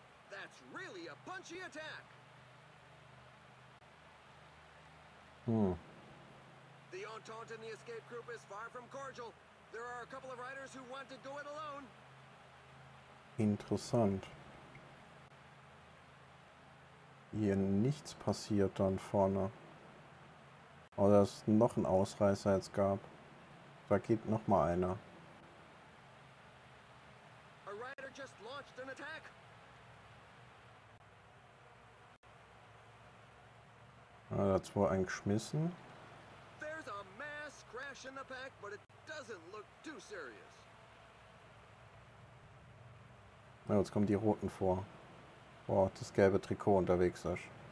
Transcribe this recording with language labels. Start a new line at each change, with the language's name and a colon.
English: That's really a punchy attack. The Entente and the escape group is far from cordial. There are a couple of riders who want to go it alone.
German: Interessant. Hier nichts passiert dann vorne. Oh, da ist noch ein Ausreißer jetzt gab. Da geht noch mal einer.
English: A rider just launched an attack.
German: Ja, da hat's wohl einen geschmissen.
English: There's a mass crash in the pack, but it doesn't look too serious.
German: Ja, jetzt kommen die Roten vor. Boah, das gelbe Trikot unterwegs, Sasch.